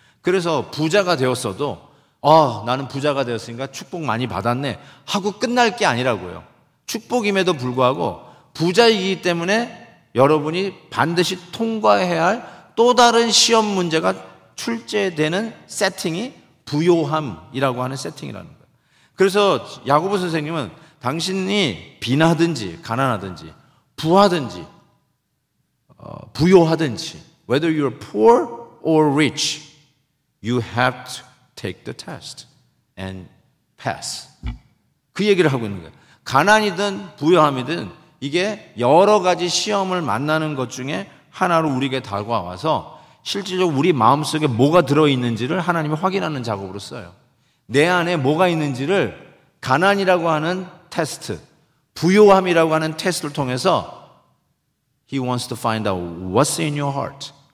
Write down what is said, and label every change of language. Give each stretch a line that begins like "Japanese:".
Korean: 그래서 부자가 되었어도 나는 부자가 되었으니까 축복 많이 받았네 하고 끝날 게 아니라고요. 축복임에도 불구하고 부자이기 때문에 여러분이 반드시 통과해야 할 또 다른 시험 문제가 출제되는 세팅이 부요함이라고 하는 세팅이라는 거예요. 그래서 야고보 선생님은 당신이 빈하든지 가난하든지 부하든지 부요하든지
English: whether you're poor or rich, you have to take the test and pass.
Korean: 그 얘기를 하고 있는 거예요. 가난이든 부요함이든 이게 여러 가지 시험을 만나는 것 중에 하나로 우리에게 다가와서 실질적으로 우리 마음속에 뭐가 들어있는지를 하나님이 확인하는 작업으로 써요. 내 안에 뭐가 있는지를 가난이라고 하는 테스트, 부요함이라고 하는 테스트를 통해서
English: He wants to find out what's in your heart.